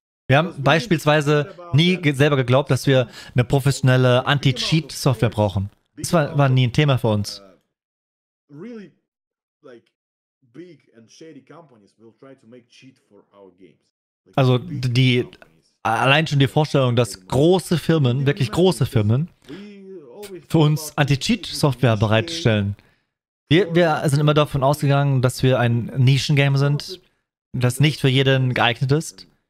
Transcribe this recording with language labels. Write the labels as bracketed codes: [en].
[de] Wir haben beispielsweise nie selber geglaubt, dass wir eine professionelle Anti-Cheat-Software brauchen. Das war nie ein Thema für uns. [en] Really, like, big and shady companies will try to make cheat for our games. [de] Also die allein schon die Vorstellung, dass große Firmen, wirklich große Firmen, für uns Anti-Cheat-Software bereitstellen. Wir sind immer davon ausgegangen, dass wir ein Nischen-Game sind, das nicht für jeden geeignet ist.